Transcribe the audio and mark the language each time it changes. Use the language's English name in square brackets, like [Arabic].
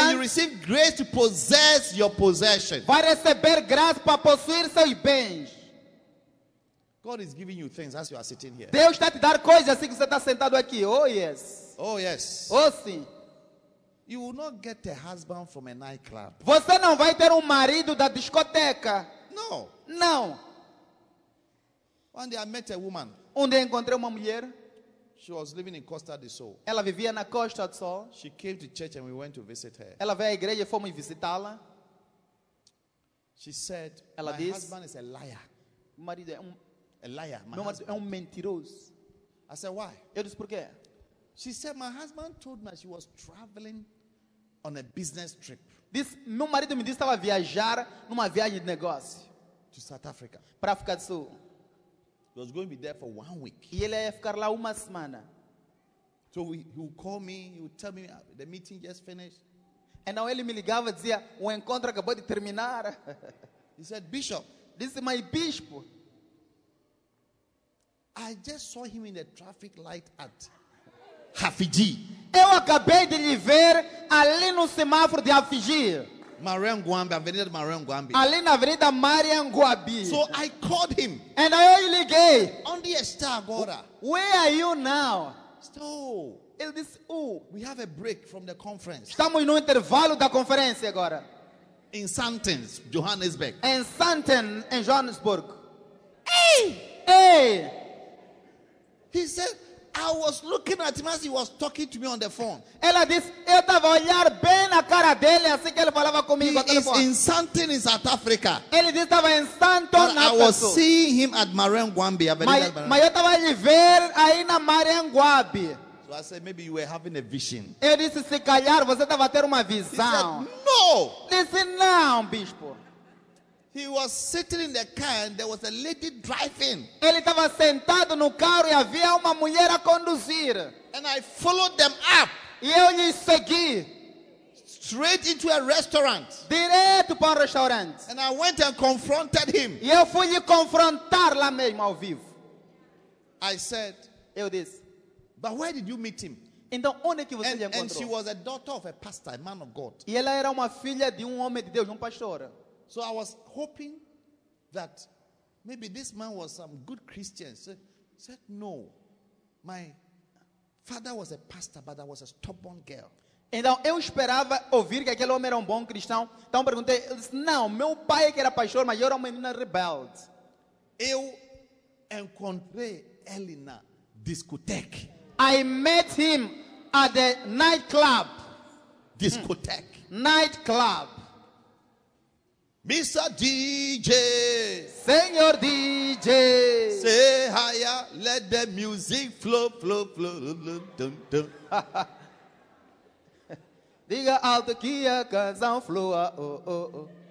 [English] And you receive grace to possess your possession. [Portuguese] Vai receber graça para possuir seus bens. [English] God is giving you things as you are sitting here. [Portuguese] Deus está te dar coisas assim que você está sentado aqui. [English] Oh yes. Oh yes. [Portuguese] Oh sim. [English] You will not get a husband from a nightclub. [Portuguese] Você não vai ter marido da discoteca. [English] No. [Portuguese] Não. [English] One day I met a woman. [Portuguese] Dia encontrei mulher. [English] She was living in Costa do Sol. [Portuguese] Ela vivia na Costa do Sol. [English] She came to church and we went to visit her. [Portuguese] Ela veio à igreja e fomos visitá-la. [English] She said, [Portuguese] ela [English] my [Portuguese] diz, [English] husband is a liar. [Portuguese] O marido é [English] a liar, my [Portuguese] meu [English] husband. [Portuguese] É mentiroso. [English] I said, why? [Portuguese] Eu disse, por quê? [English] She said, my husband told me she was traveling on a business trip. [Portuguese] Disse, meu marido me disse que estava a viajar numa viagem de negócio. [English] To South Africa. [Portuguese] Para a África do Sul. [English] He was going to be there for 1 week. [Portuguese] E ele ia ficar lá uma semana. [English] So he would call me, he would tell me the meeting just finished. And now [Portuguese] ele me ligava e dizia, o encontro acabou de terminar. [English] He said, Bishop. [Portuguese] Disse, my bispo. [English] I just saw him in the traffic light at Hafiji. [Portuguese] Eu acabei de lhe ver ali no semáforo de Hafiji. Mariam Guambi, Avenida de Mariam Guambi. Ali na Avenida Mariam Guambi. [English] So I called him. [Portuguese] And aí eu liguei. Onde está agora? [English] Where are you now? [Portuguese] Estou. Ele disse, oh, [English] we have a break from the conference. [Portuguese] Estamos no intervalo da conferência agora. [English] In Sandton, Johannesburg. In Sandton, in Johannesburg. Hey! Hey! He said, I was looking at him as he was talking to me on the phone. [Portuguese] Ela disse, eu estava olhando bem na cara dele assim que ele falava comigo. [English] He is in Sandton in South Africa. [Portuguese] Ele disse, estava em Sandton, na África. [English] I was seeing him at Mariam Guambi. [Portuguese] Mas eu estava lhe ver aí na Mariam Guambi. [English] So I said, maybe you were having a vision. [Portuguese] Ele disse, se calhar você estava tendo uma visão. [English] He said, no. [Portuguese] Disse, não, bispo. [English] He was sitting in the car and there was a lady driving. [Portuguese] Ele estava sentado no carro e havia uma mulher a conduzir. [English] And I followed them up. [Portuguese] E eu lhe segui. [English] Straight into a restaurant. [Portuguese] Direto para o restaurante. [English] And I went and confronted him. [Portuguese] E eu fui lhe confrontar lá mesmo ao vivo. [English] I said, [Portuguese] eu disse, [English] but where did you meet him? [Portuguese] Então, onde que você lhe encontrou? [English] And she was a daughter of a pastor, a man of God. [Portuguese] E ela era uma filha de homem de Deus, pastor. [English] So I was hoping that maybe this man was some good Christian. So, said no. My father was a pastor, but I was a stubborn girl. [Portuguese] Então eu esperava ouvir que aquele homem era bom cristão. Então perguntei, ele disse, não, meu pai que era pastor, mas eu era uma menina rebelde. Eu encontrei ele na discoteca. [English] I met him at the nightclub. [Portuguese] Discoteque. [English] Nightclub. Mr. DJ, [Portuguese] Senhor DJ, [English] say higher, let the music flow, flow, flow, dun, dun, dun. [Portuguese] Diga alto que a canção flua, oh, oh, oh.